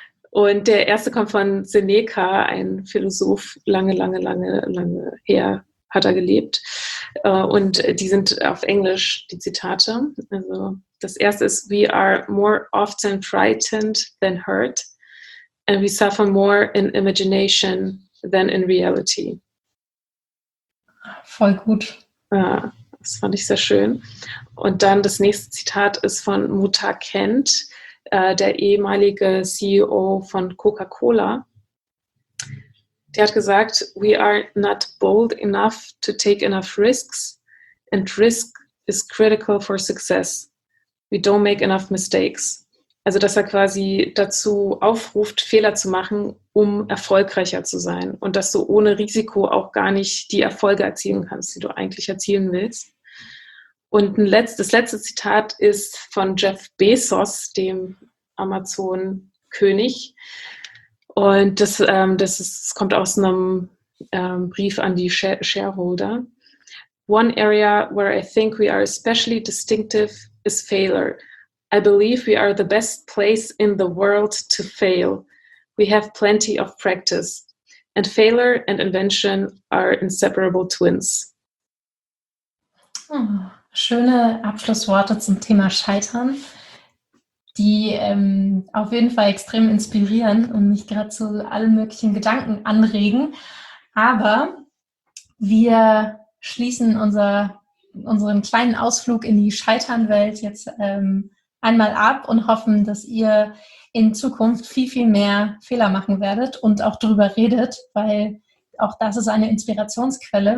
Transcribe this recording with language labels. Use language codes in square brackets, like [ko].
[de] und der erste kommt von Seneca, ein Philosoph, lange, lange, lange, lange her hat er gelebt. Und die sind auf Englisch, die Zitate. Also das erste ist, [en] we are more often frightened than hurt and we suffer more in imagination than in reality. [de] Voll gut. Ja. Das fand ich sehr schön. Und dann das nächste Zitat ist von Muta Kent, der ehemalige CEO von Coca-Cola. Der hat gesagt, [en] we are not bold enough to take enough risks and risk is critical for success. We don't make enough mistakes. [de] Also dass er quasi dazu aufruft, Fehler zu machen, um erfolgreicher zu sein und dass du ohne Risiko auch gar nicht die Erfolge erzielen kannst, die du eigentlich erzielen willst. Und das letzte Zitat ist von Jeff Bezos, dem Amazon-König. Und das kommt aus einem Brief an die Shareholder. [en] One area where I think we are especially distinctive is failure. I believe we are the best place in the world to fail. We have plenty of practice. And failure and invention are inseparable twins. Oh. [de] Schöne Abschlussworte zum Thema Scheitern, die auf jeden Fall extrem inspirieren und mich gerade zu allen möglichen Gedanken anregen. Aber wir schließen unseren kleinen Ausflug in die Scheiternwelt jetzt einmal ab und hoffen, dass ihr in Zukunft viel, viel mehr Fehler machen werdet und auch darüber redet, weil auch das ist eine Inspirationsquelle.